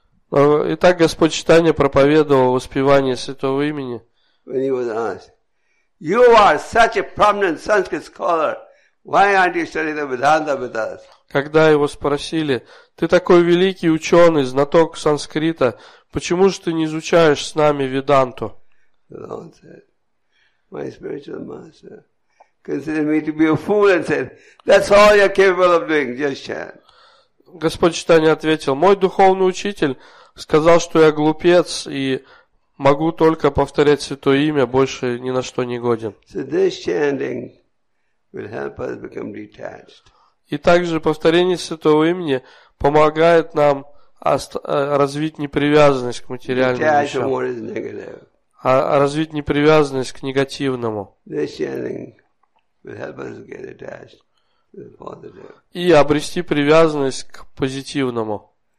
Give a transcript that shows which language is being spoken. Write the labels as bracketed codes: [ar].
[ru] Итак, Господь Читания проповедовал воспевание святого имени. [en] You are such a prominent Sanskrit scholar. Why aren't you studying the Vedanta with us? [ru] Когда его спросили: ты такой великий ученый, знаток санскрита, почему же ты не изучаешь с нами Веданту? Господь Читания ответил: мой духовный учитель сказал, что я глупец, и Могу только повторять Святое Имя, больше ни на что не годен. [en] So this chanting will help us become detached. [ru] И также повторение Святого Имени помогает нам развить непривязанность к материальным вещам. А развить непривязанность к негативному. И обрести привязанность к позитивному.